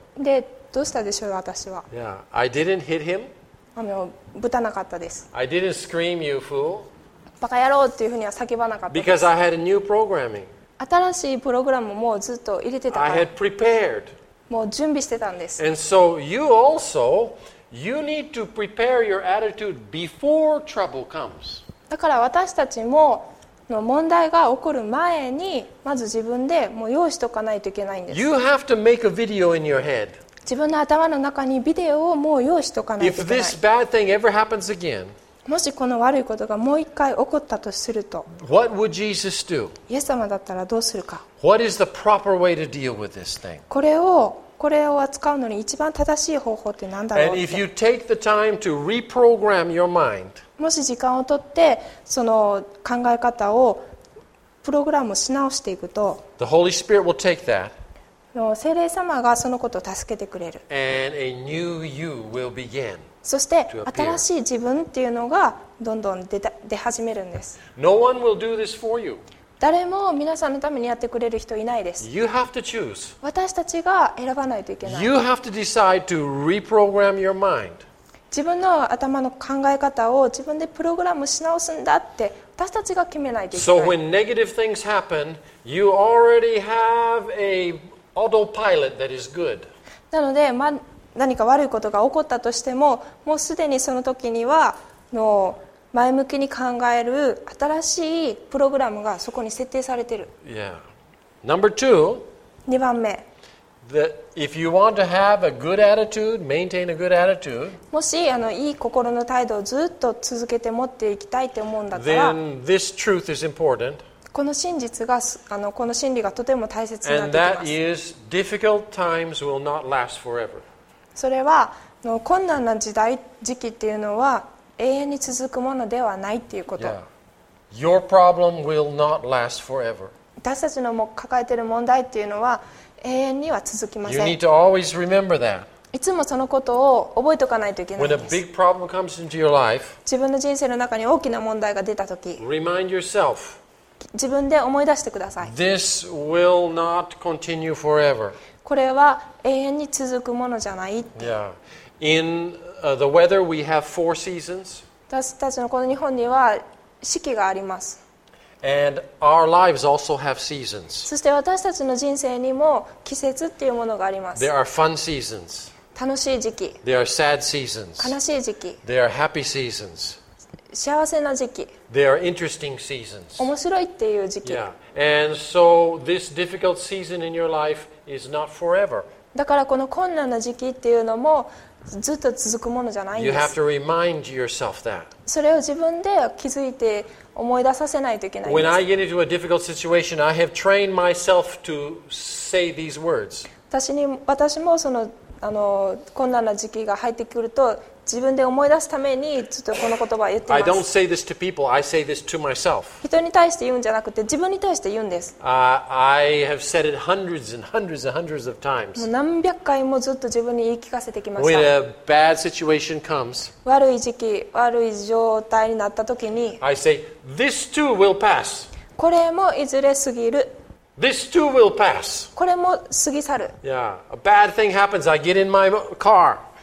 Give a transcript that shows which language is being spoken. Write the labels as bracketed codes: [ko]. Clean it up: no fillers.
[ja] でどうしたでしょう私は。 [en] Yeah, I didn't hit him. [ja] ぶたなかったです。 [en] I didn't scream, you fool. [ja] バカ野郎っていうふうには叫ばなかったです。 [en] Because I had a new programming. [ja] 新しいプログラムもずっと入れてたから。 [en] I had prepared. [ja] もう準備してたんです。 [en] And so you also, you need to prepare your attitude before trouble comes. [ja] だから私たちも、問題が起こる前にまず自分でもう用意しておかないといけないんです。 [en] You have to make a video in your head. [ja] 自分の頭の中にビデオをもう用意しておかないといけない。 [en] If this bad thing ever happens again, [ja] もしこの悪いことがもう一回起こったとすると、 [en] What would Jesus do? [ja] イエス様だったらどうするか。 [en] What is the proper way to deal with this thing? [ja] これを扱うのに一番正しい方法って何だろうって。 [en] And if you take the time to reprogram your mind. [ja] もし時間を取ってその考え方をプログラムし直していくと、 [en] The Holy Spirit will take that. [ja] 聖霊様がそのことを助けてくれる。 [en] And a new you will begin. [ja] そして新しい自分っていうのがどんどん出始めるんです。 [en] No one will do this for you. [ja] 誰も皆さんのためにやってくれる人いないです。 [en] You have to choose. [ja] 私たちが選ばないといけない。 [en] You have to decide to reprogram your mind. [ja] 自分の頭の考え方を自分でプログラムし直すんだって私たちが決めないといけない。 [en] So when negative things happen, you already have a autopilot that is good. [ja] なので、何か悪いことが起こったとしても、もうすでにその時には前向きに考える新しいプログラムがそこに設定されている。 [en] Yeah. Number two. [ja] 2番目。 [en] That if you want to have a good attitude, maintain a good attitude, [ja] もしいい心の態度をずっと続けて持っていきたいって思うんだったら、 [en] then this truth is important. [ja] この真理がとても大切になってきます。 [en] And that is, difficult times will not last forever. [ja] それは困難な時期っていうのは永遠に続くものではないっていうこと。 [en] Your problem will not last forever. [ja] 私たちの抱えている問題っていうのは永遠には続きません。 [en] You need to always remember that. [ja] いつもそのことを覚えておかないといけないんです。 [en] When a big problem comes into your life, [ja] 自分の人生の中に大きな問題が出たとき、 [en] remind yourself, [ja] 自分で思い出してください。 [en] This will not continue forever. [ja] これは永遠に続くものじゃないって。 [en] Yeah. In the weather, we have four seasons. [ja] 私たちのこの日本には四季があります。 [en] And our lives also have seasons. [ja] そして私たちの人生にも季節っていうものがあります。 [en] There are fun seasons. [ja] 楽しい時期。 [en] There are sad seasons. [ja] 悲しい時期。 [en] There are happy seasons. [ja] 幸せな時期。 [en] There are interesting seasons. [ja] 面白いっていう時期。 [en] Yeah. And so this difficult season in your life is not forever. [ja] だからこの困難な時期っていうのもずっと続くものじゃないんです。 [en] You have to remind yourself that. [ja] それを自分で気づいて思い出させないといけないんです。 [en] When I get into a difficult situation, I have trained myself to say these words. [ja] 私もその困難な時期が入ってくると自分で思い出すためにちょっとこの言葉を言っています。 [en] I don't say this to people, I say this to myself. [ja] 人に対して言うんじゃなくて自分に対して言うんです。 [en] I have said it hundreds and hundreds and hundreds of times. [ja] もう何百回もずっと自分に言い聞かせてきました。 [en] When a bad situation comes, [ja] 悪い状態になった時に、 [en] I say, this too will pass. [ja] これもいずれ過ぎる。 [en] This too will pass. [ja] これも過ぎ去る。 [en] Yeah. A bad thing happens. I get in my car.